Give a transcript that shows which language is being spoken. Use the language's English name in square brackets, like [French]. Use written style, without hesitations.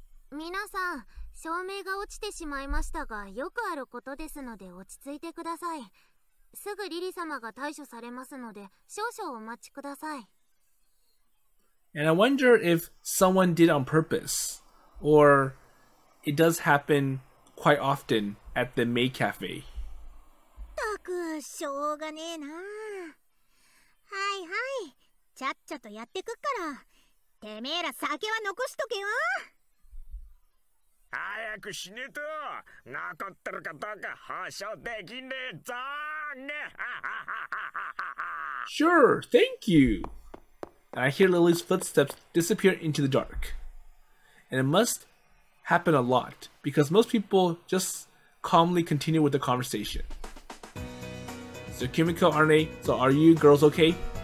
[Japanese] 皆さん、照明が落ちてしまいましたが、よくあることですので落ち着いてください。すぐリリ様が対処されますので、少々お待ちください。 [English] And I wonder if someone did on purpose, or it does happen quite often at the May Cafe. [Japanese] たく、しょうがねえな。はいはい、ちゃっちゃとやってくから、てめえら酒は残しとけよ。早く死ねと、残ってるかどうか保証できねえぞね。 [English] Sure, thank you. And I hear Lily's footsteps disappear into the dark. And it must happen a lot, because most people just calmly continue with the conversation. So Kimiko, Arne, so are you girls okay?